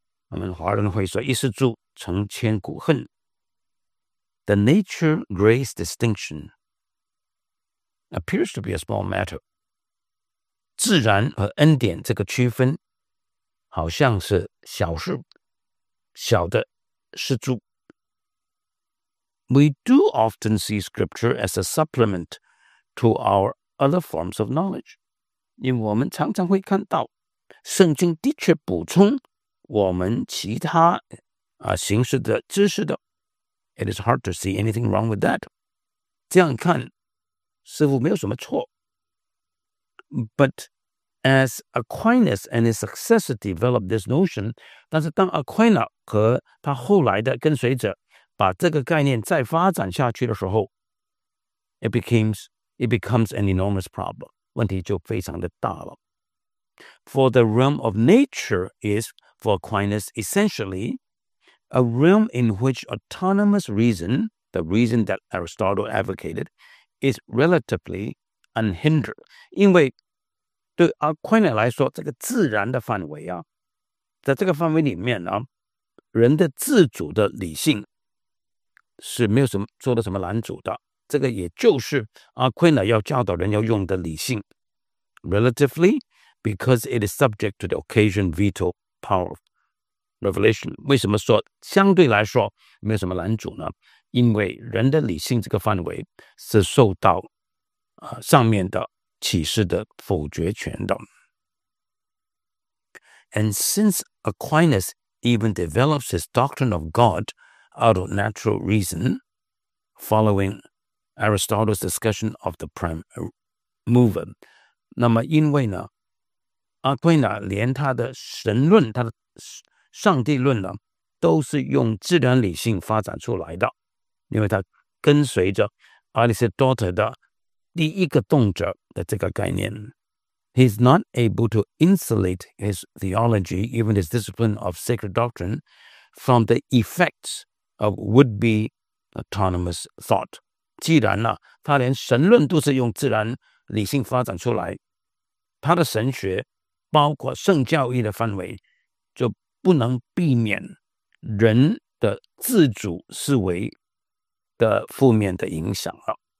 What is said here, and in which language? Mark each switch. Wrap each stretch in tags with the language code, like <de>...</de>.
<zh>我们华人会说一失足成千古恨。</zh> <en>The nature-grace distinction appears to be a small matter.</en> <zh>自然和恩典这个区分好像是小事。小的是猪。</zh> <en>We do often see scripture as a supplement to our other forms of knowledge.</en> <zh>因为我们常常会看到圣经的确补充我们其他、形式的知识的。</zh> <en>It is hard to see anything wrong with that.</en> <zh>这样看似乎没有什么错。</zh> <en>But as Aquinas and his successor developed this notion,</en> <zh>但是当 Aquinas 和他后来的跟随者把这个概念再发展下去的时候</zh> <en>it becomes an enormous problem.</en> <zh>问题就非常的大了。</zh> <en>For the realm of nature is, for Aquinas, essentially, a realm in which autonomous reason, the reason that Aristotle advocated, is relatively unhindered.</en> <zh>因为对 Aquinas 来说，这个自然的范围啊，在这个范围里面啊，人的自主的理性是没有什么做的什么拦阻的，这个也就是阿奎那要教导人要用的理性。</zh> <en>Relatively, because it is subject to the occasion veto power of revelation.</en> <zh>为什么说相对来说没有什么拦阻呢？因为人的理性这个范围是受到、上面的启示的否决权的。</zh> <en>And since Aquinas even develops his doctrine of God,out of natural reason, following Aristotle's discussion of the prime mover. 那么因为呢，阿奎那连他的神论、他的上帝论呢，都是用自然理性发展出来的，因为他跟随着阿里士多德的第一个动者的这个概念。 He's not able to insulate his theology, even his discipline of sacred doctrine, from the effects. Of would-be autonomous thought.</en> <zh>既然呢、他连神论都是用自然理性发展出来，他的神学包括圣教义的范围就不能避免人的自主思维的负面的影响了。</zh>